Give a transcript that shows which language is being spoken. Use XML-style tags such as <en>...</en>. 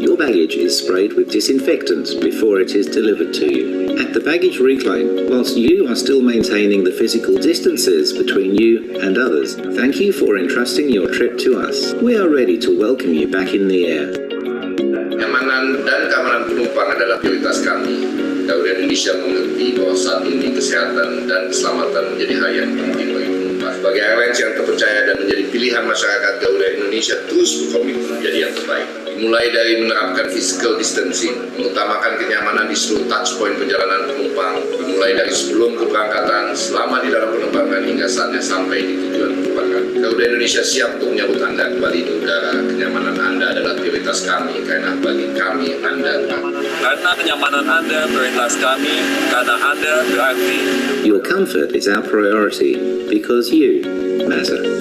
<en>Your baggage is sprayed with disinfectant before it is delivered to you. At the baggage reclaim, whilst you are still maintaining the physical distances between you and others, thank you for entrusting your trip to us. We are ready to welcome you back in the air.</en> <id>Penumpang adalah prioritas kami. Garuda Indonesia mengerti bahwa saat ini kesehatan dan keselamatan menjadi hal yang penting bagi penumpang. Bagi airlines yang terpercaya dan menjadi pilihan masyarakat, Garuda Indonesia terus berkomitmen menjadi yang terbaik. Mulai dari menerapkan physical distancing, mengutamakan kenyamanan di seluruh touchpoint perjalanan penumpang, mulai dari sebelum keberangkatan, selama di dalam penerbangan hingga saatnya sampai di tujuan penerbangan. Garuda Indonesia siap untuk menyambut Anda kembali di udara. Kenyamanan Anda adalah prioritas kami, karena bagi kami, Anda karena kenyamanan Anda prioritas kami, karena Anda berarti.</id> <en>Your comfort is our priority, because you matter.</en>